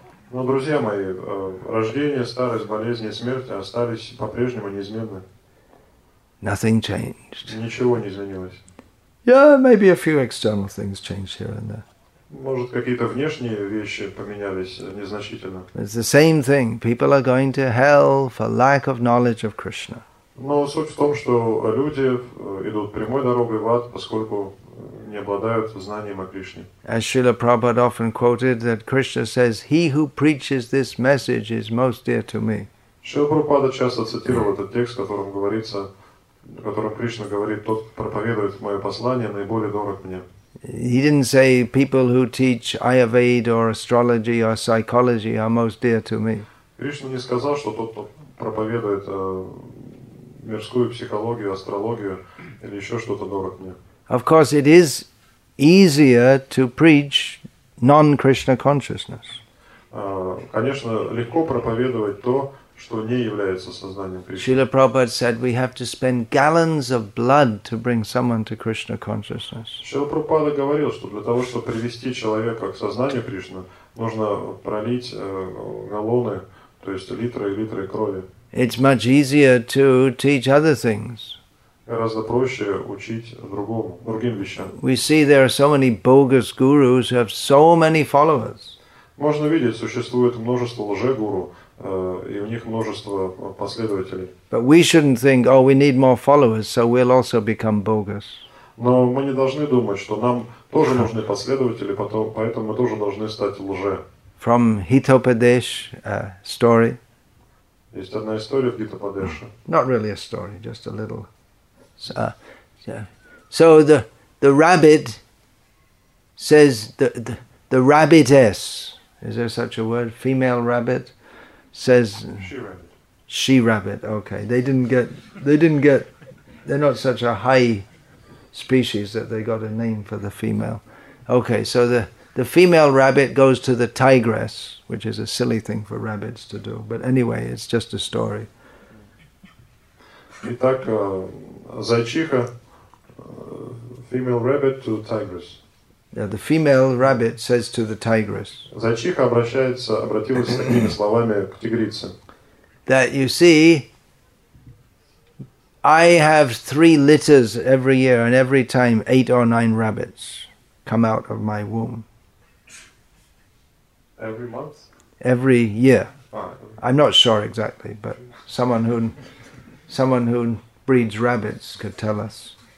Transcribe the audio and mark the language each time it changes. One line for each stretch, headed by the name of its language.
Russian: Но, друзья мои, рождение, старость, болезни и смерть остались по-прежнему неизменны.
English: Nothing changed.
Russian: Ничего не изменилось.
English: Yeah, maybe a few external things changed here and there.
Russian: Может, какие-то внешние вещи поменялись незначительно.
English: It's the same thing. People are going to hell for lack of knowledge of Krishna.
Russian: Но суть в том, что люди идут прямой дорогой в ад, поскольку не не обладают знанием о Кришне.
English: As Srila Prabhupada often quoted that Krishna says, "He who preaches this message is most dear to me."
Russian: Шрила Прабхупада часто цитировал этот текст, которым говорится, в котором Кришна говорит, тот проповедует мое послание наиболее дорог мне.
English: He didn't say people who teach Ayurveda or astrology or psychology are most dear to me.
Russian: Кришна не сказал, что тот, кто проповедует мирскую психологию, астрологию или еще что-то, дорог мне.
English: Of course, it is easier to preach non-Krishna consciousness.
Russian: Конечно, легко проповедовать то, что не является сознанием Кришны.
English: Srila Prabhupada said we have to spend gallons of blood to bring someone to Krishna consciousness.
Russian: Srila Prabhupada говорил, что для того, чтобы привести человека к сознанию Кришны, нужно пролить галлоны, то есть литры и литры крови.
English: It's much easier to teach other things.
Russian: Гораздо проще учить другим вещам.
English: We see there are so many bogus gurus who have so many followers.
Russian: Можно видеть, существует множество лже-гуру, и у них множество последователей.
English: But we shouldn't think, oh, we need more followers, so we'll also become bogus.
Russian: Но мы не должны думать, что нам тоже нужны последователи, поэтому мы тоже должны стать лже.
English: From Hitopadesh story.
Russian: Есть одна история в Гитопадеше.
English: Not really a story, just a little. So the rabbit says the rabbitess. Is there such a word? Female rabbit says she rabbit. Okay, they didn't get. They're not such a high species that they got a name for the female. Okay, so the female rabbit goes to the tigress, which is a silly thing for rabbits to do. But anyway, it's just a story.
Russian: Итак, зайчиха,
English: female rabbit to tigress. Yeah, the female rabbit says to the tigress.
Russian: Зайчиха обратилась с такими словами к тигрице.
English: That you see, I have 3 litters every year, and every time 8 or 9 rabbits come out of my womb. Every month? Every year. I'm not sure exactly, but someone who breeds rabbits could tell us.